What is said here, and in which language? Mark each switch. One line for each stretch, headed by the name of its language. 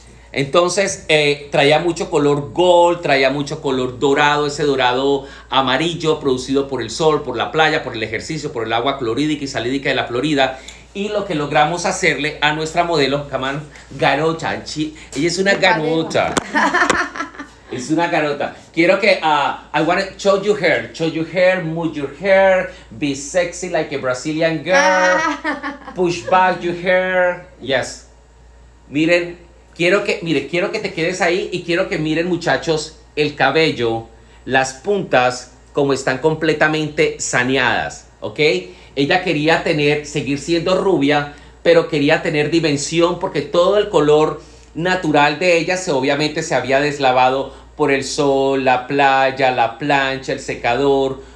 Spanish: Entonces, traía mucho color gold, traía mucho color dorado, ese dorado amarillo producido por el sol, por la playa, por el ejercicio, por el agua clorhídrica y salídrica de la Florida. Y lo que logramos hacerle a nuestra modelo, Camán Garocha, ella es una garocha. Es una garota. Quiero que
English: I want to show you hair. Show you hair, move your hair, be sexy like a Brazilian girl, push back your hair. Yes.
Spanish: Miren, quiero que te quedes ahí y quiero que miren, muchachos, el cabello, las puntas, como están completamente saneadas, ¿ok? Ella quería tener, seguir siendo rubia, pero quería tener dimensión porque todo el color natural de ella obviamente se había deslavado por el sol, la playa, la plancha, el secador.